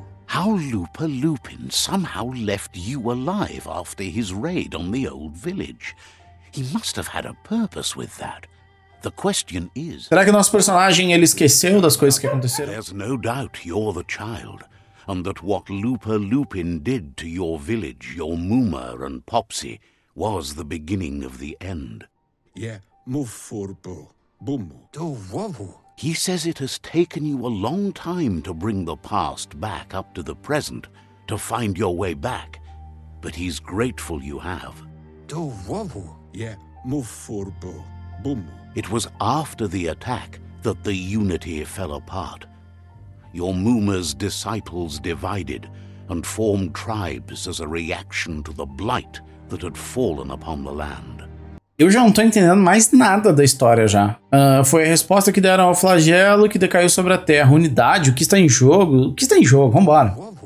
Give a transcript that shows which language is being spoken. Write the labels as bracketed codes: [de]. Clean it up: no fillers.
[en] How Lupa Lupin somehow left you alive after his raid on the old village. He must have had a purpose with that. The question is, [pt] será que o nosso personagem ele esqueceu das coisas que aconteceram? [en] There's no doubt you're the child, and that what Lupa Lupin did to your village, your Mooma and Popsy, was the beginning of the end. Yeah, Mufurbo, Bumu, Do Wovu. He says it has taken you a long time to bring the past back up to the present, to find your way back, but he's grateful you have. Do Wovu. Yeah, Mufurbo, Bumbu. It was after the attack that the unity fell apart. Your Mooma's disciples divided and formed tribes as a reaction to the blight that had fallen upon the land. [pt] Eu já não tô entendendo mais nada da história já. Foi a resposta que deram ao flagelo que decaiu sobre a terra. Unidade? O que está em jogo? O que está em jogo? Vambora.